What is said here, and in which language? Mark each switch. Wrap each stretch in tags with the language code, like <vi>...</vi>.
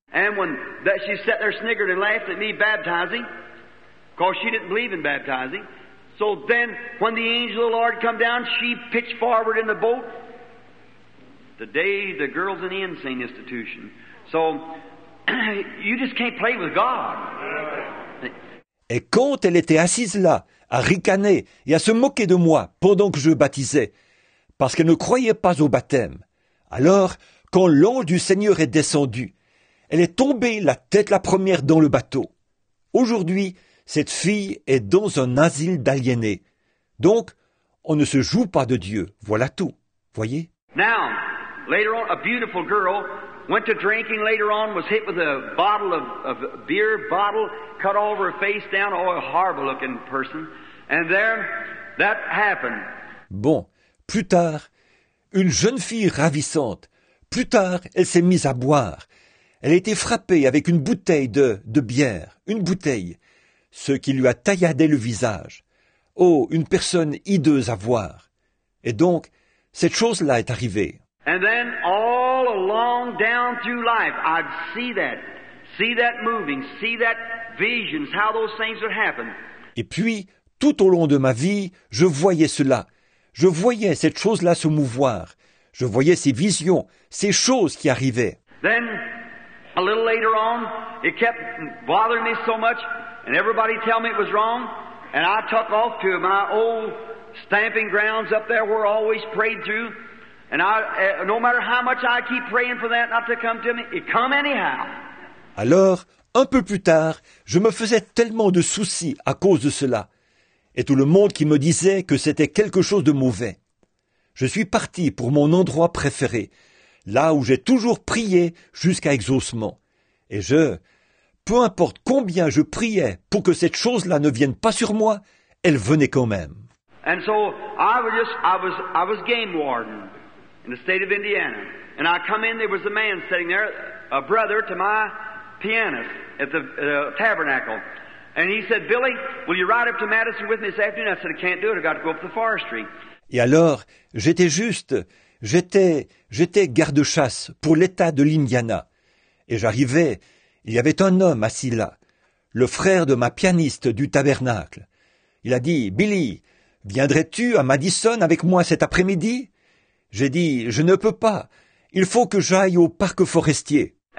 <en>And when that she sat there sniggered and laughed at me baptizing, because she didn't believe in baptizing. So then, when the angel of the Lord come down, she pitched forward in the boat. The day the girls in the insane institution. So, you just can't play with God.</en> <fr>Et quand elle était assise là, à ricaner et à se moquer de moi pendant que je baptisais, parce qu'elle ne croyait pas au baptême. Alors, quand l'ange du Seigneur est descendu, elle est tombée la tête la première dans le bateau. Aujourd'hui, cette fille est dans un asile d'aliénés. Donc, on ne se joue pas de Dieu. Voilà tout. Voyez.</fr> <en>Now, later on, a beautiful girl went to drinking. Later on, was hit with a bottle of beer bottle, cut all over her face down. Oh, a horrible looking person. And there, that happened.</en> <fr>Bon, plus tard, une jeune fille ravissante. Plus tard, elle s'est mise à boire. Elle a été frappée avec une bouteille de bière, une bouteille, ce qui lui a tailladé le visage. Oh, une personne hideuse à voir. Et donc, cette chose-là est arrivée.</fr> <en>And then all along down through life, I'd see that moving, see that visions, how those things would happen.</en> <fr>Et puis, tout au long de ma vie, je voyais cela. Je voyais cette chose-là se mouvoir. Je voyais ces visions, ces choses qui arrivaient.</fr> <en>Then, a little later on, it kept bothering me so much, and everybody tell me it was wrong, and I took off to my old stamping grounds up there where I always prayed through, and I, no matter how much I keep praying for that not to come to me, it come anyhow.</en> <fr>Alors, un peu plus tard, je me faisais tellement de soucis à cause de cela, et tout le monde qui me disait que c'était quelque chose de mauvais. Je suis parti pour mon endroit préféré, là où j'ai toujours prié jusqu'à exaucement. Et je, peu importe combien je priais pour que cette chose-là ne vienne pas sur moi, elle venait quand même.</fr> <en>And so I was game warden in the state of Indiana. And I come in, there was a man sitting there, a brother to my pianist at the tabernacle. And he said, Billy, will you ride up to Madison with me this afternoon? I said, I can't do it, I've got to go up the forestry.</en> <fr>Et alors, j'étais juste, j'étais garde-chasse pour l'état de l'Indiana. Et j'arrivais, il y avait un homme assis là, le frère de ma pianiste du tabernacle. Il a dit, « Billy, viendrais-tu à Madison avec moi cet après-midi » J'ai dit, « Je ne peux pas, il faut que j'aille au parc forestier. »</fr>